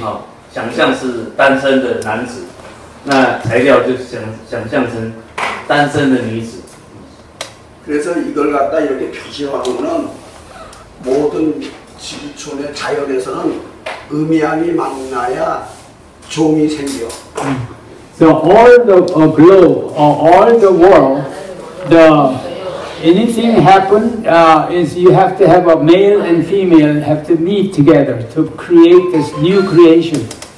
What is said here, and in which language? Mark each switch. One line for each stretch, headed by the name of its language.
Chinese: 那我们可以把三气想象是单身的男子。那材料就想象成单身的女子。
Korean: 그래서 이걸 갖다 이렇게 표시하고는 모든 지구촌의 자연에서는 음양이 만나야 종이 생겨.
English: So all the globe, or all the world, the anything happen is you have to have a male and female have to meet together to create this new creation.